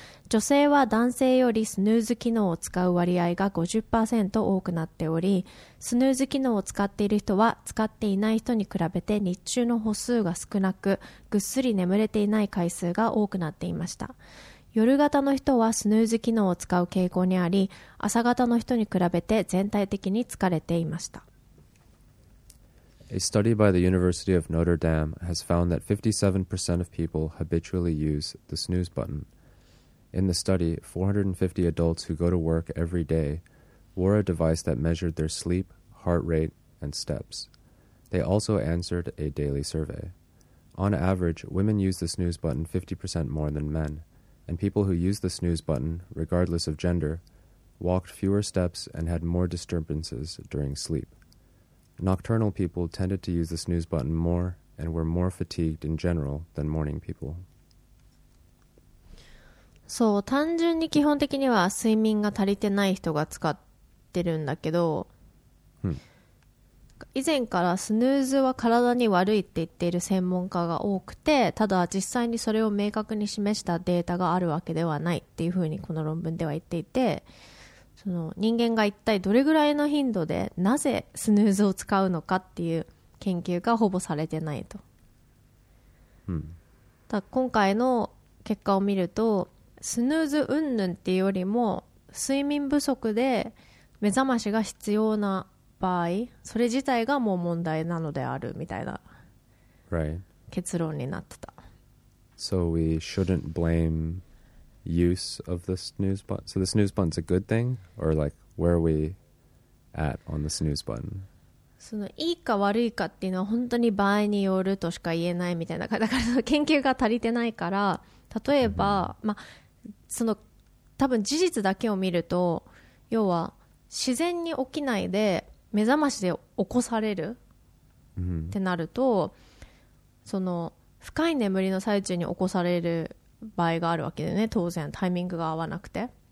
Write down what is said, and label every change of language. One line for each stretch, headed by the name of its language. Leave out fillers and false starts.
Japanese: 女性は男性よりスヌーズ機能を使う割合が 50% 多くなっており、スヌーズ機能を使っている人は使っていない人に比べて日中の歩数が少なく、ぐっすり眠れていない回数が多くなっていました。夜型の人はスヌーズ機能を使う傾向にあり、朝型の人に比べて全体的に疲れていました。
English: A study by the University of Notre Dame has found that 57% of people habitually use the snooze button. In the study, 450 adults who go to work every day wore a device that measured their sleep, heart rate, and steps. They also answered a daily survey. On average, women use the snooze button 50% more than men. And people who use the snooze button, regardless of gender, walked fewer steps and had more disturbances during sleep. Nocturnal people tended to use the snooze button more and were more fatigued in general than morning people.
Japanese: そう、単純に基本的には睡眠が足りてない人が使ってるんだけど、以前からスヌーズは体に悪いって言っている専門家が多くて、ただ実際にそれを明確に示したデータがあるわけではないっていうふうにこの論文では言っていて、その人間が一体どれぐらいの頻度でなぜスヌーズを使うのかっていう研究がほぼされてないと。だ今回の結果を見ると、スヌーズ云々っていうよりも睡眠不足で目覚ましが必要な場合、それ自体がもう問題なのであるみたいな結論になってた。
English: Right. So we shouldn't blame use of the snooze button. So the snooze button's a good thing, or like where are we at on the snooze button?
Japanese: そのいいか悪いかっていうのは本当に場合によるとしか言えないみたいな。だからその研究が足りてないから、例えば、まあその多分事実だけを見ると、要は自然に起きないで目覚ましで起こされるってなると、その深い眠りの最中に起こされる場合があるわけでね、当然タイミングが合わなくて、